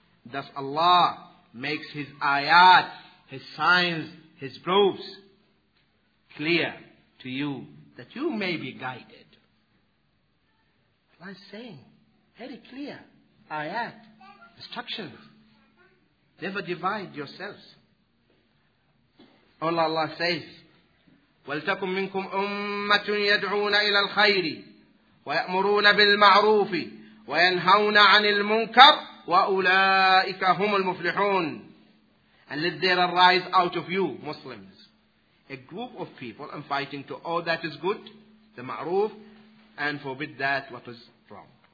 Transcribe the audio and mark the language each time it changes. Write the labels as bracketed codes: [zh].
[en] Thus Allah makes his ayat, his signs, his proofs clear to you, that you may be guided. Allah is saying, very clear, ayat, instructions, never divide yourselves. All Allah says, [ar] وَلْتَكُمْ مِنْكُمْ أُمَّةٌ يَدْعُونَ إِلَى الْخَيْرِ وَيَأْمُرُونَ بِالْمَعْرُوفِ وَيَنْهَوْنَ عَنِ الْمُنْكَرِ وَأُولَٰئِكَ هُمُ الْمُفْلِحُونَ. [en] And let there arise out of you, Muslims, a group of people, and fighting to all that is good, the ma'roof, and forbid that what is from.